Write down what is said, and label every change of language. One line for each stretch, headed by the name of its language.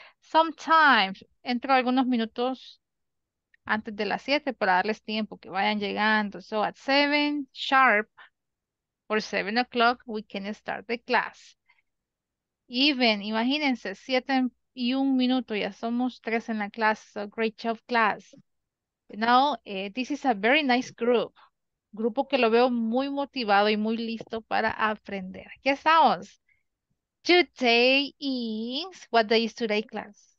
English: Sometimes,
Spanish: entro algunos minutos antes de las 7 para darles tiempo que vayan llegando.
English: So at 7 sharp or 7 o'clock, we can start the class. Even,
Spanish: imagínense, 7 y 1 minuto, ya somos 3 en la clase.
English: So great job, class. Now, this is a very nice group.
Spanish: Grupo que lo veo muy motivado y muy listo para aprender. Aquí estamos.
English: Today is, what day is today, class?